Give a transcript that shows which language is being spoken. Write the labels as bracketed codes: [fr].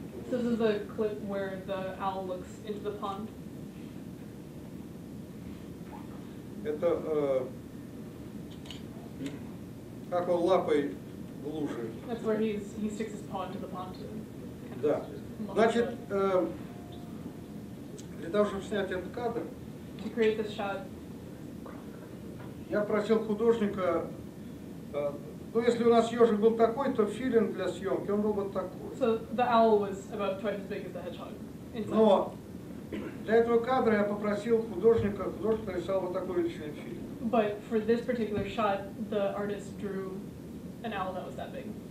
[en] This is the clip where the owl looks into the pond. [ru] Это как он лапой в луже. [en] That's where he sticks his paw into the pond. [ru] Да. Значит, для того, чтобы снять этот кадр, [en] to create this shot, [ru] я просил художника, ну если у нас ежик был такой, то филин для съемки, он был вот такой. [en] So the owl was about twice as big as the hedgehog. [ru] Но для этого кадра я попросил художника, художник нарисовал вот такой величины филин. [en] But for this particular shot, the artist drew an owl that was that big.